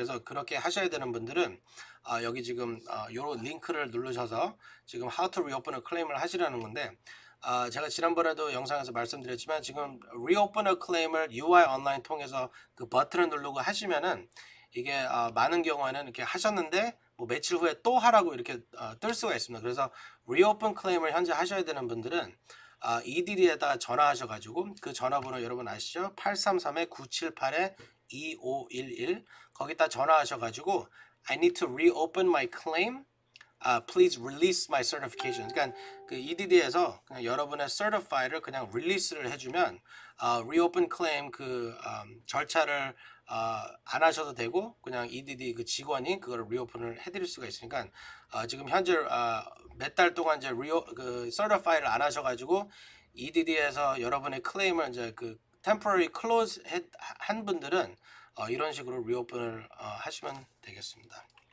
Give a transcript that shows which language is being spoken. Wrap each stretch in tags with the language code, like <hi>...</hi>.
<ko>그래서 그렇게 하셔야 되는 분들은 여기 지금 요 링크를 누르셔서 지금 How to Reopen a Claim을 하시라는 건데 제가 지난번에도 영상에서 말씀드렸지만 지금 Reopen a Claim을 UI 온라인 통해서 그 버튼을 누르고 하시면은 이게 많은 경우에는 이렇게 하셨는데 뭐 며칠 후에 또 하라고 이렇게 뜰 수가 있습니다. 그래서 Reopen Claim을 현재 하셔야 되는 분들은 EDD에다가 전화하셔가지고 그 전화번호 여러분 아시죠?</ko> <en>833-978-2511</en> <ko>거기다 전화하셔가지고</ko> <en>I need to reopen my claim. Please release my certification.</en> <ko>그러니까 그 EDD에서 그냥 여러분의 certify를 그냥 release를 해주면 reopen claim 절차를 안 하셔도 되고 그냥 EDD 그 직원이 그걸 reopen을 해드릴 수가 있으니까 지금 현재 몇달 동안 이제 certify를 안 하셔가지고 EDD에서 여러분의 claim을 이제 그 temporary close 한 분들은 이런 식으로 reopen을 하시면 되겠습니다.</ko>